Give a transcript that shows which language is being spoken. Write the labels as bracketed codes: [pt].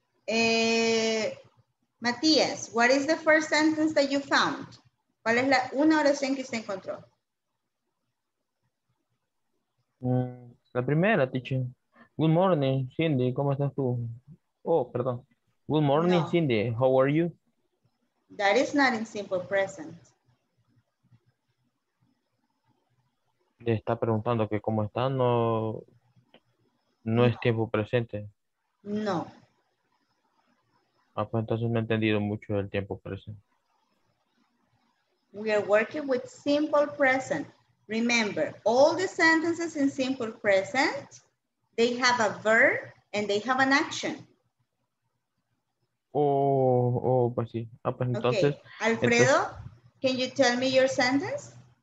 [en] Matías, what is the first sentence that you found? [es] ¿Cuál es la una oración que usted encontró? La primera, teacher. [en] Good morning, [es] Cindy, ¿cómo estás tú? Oh, perdón. Good morning, no. [en] Cindy, how are you? That is not in simple present. [es] Le está preguntando que cómo está, no, no es tiempo presente. No. Ah, pues entonces no he entendido mucho del tiempo presente. [en] We are working with simple present. Remember, all the sentences in simple present, they have a verb and they have an action. [es] Oh, pues sí. Ah, pues entonces. [en] Okay. Alfredo, entonces, can you tell me your sentence?